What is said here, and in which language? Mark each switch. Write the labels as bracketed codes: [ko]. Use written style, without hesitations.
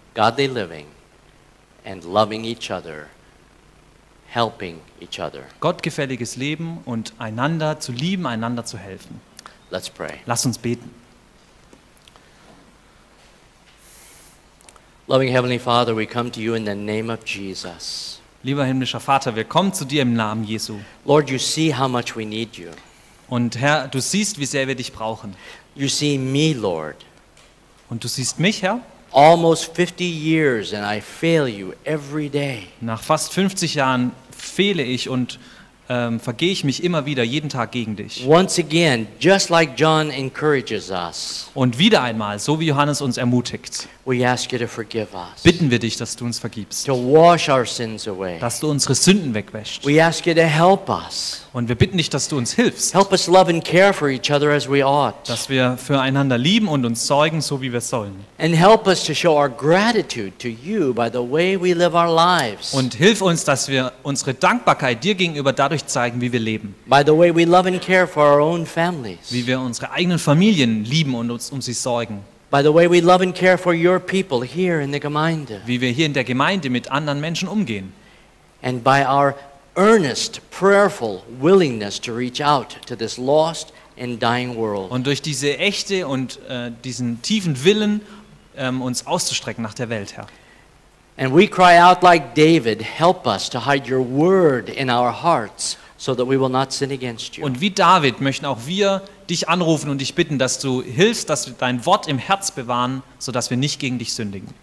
[en] Godly living and loving each other, helping each other. [de] Gottgefälliges Leben und einander zu lieben, einander zu helfen. [en] Let's pray. [de] Lass uns beten. [en] Loving Heavenly Father, we come to you in the name of Jesus. [de] Lieber himmlischer Vater, wir kommen zu dir im Namen Jesu. [en] Lord, you see how much we need you. [de] Und Herr, du siehst, wie sehr wir dich brauchen. [en] You see me, Lord. [de] Und du siehst mich, Herr. [en] Almost 50 years and I fail you every day. [de] Nach fast 50 Jahren fehle ich und vergehe ich mich immer wieder jeden Tag gegen dich. [en] Once again, just like John encourages us. [de] Und wieder einmal, so wie Johannes uns ermutigt. [en] We ask you to forgive us. [de] Bitten wir dich, dass du uns vergibst. [en] To wash our sins away. [de] Dass du unsere Sünden wegwäschst. [en] We ask you to help us. [de] Und wir bitten dich, dass du uns hilfst. [en] Help us love and care for each other as we ought. [de] Dass wir füreinander lieben und uns sorgen, so wie wir sollen. [en] And help us to show our gratitude to you by the way we live our lives. [de] Und hilf uns, dass wir unsere Dankbarkeit dir gegenüber dadurch zeigen, wie wir leben. [en] By the way we love and care for our own families. [de] Wie wir unsere eigenen Familien lieben und uns um sie sorgen. [en] By the way we love and care for your people here in the Gemeinde. [de] Wie wir hier in der Gemeinde mit anderen Menschen umgehen. [en] And by our earnest, prayerful willingness to reach out to this lost and dying world. [de] Und durch diese echte und diesen tiefen Willen uns auszustrecken nach der Welt, Herr. [en] And we cry out like David, help us to hide your word in our hearts so that we will not sin against you. [de] Und wie David möchten auch wir dich anrufen und dich bitten, dass du hilfst, dass wir dein Wort im Herz bewahren, so dass wir nicht gegen dich sündigen.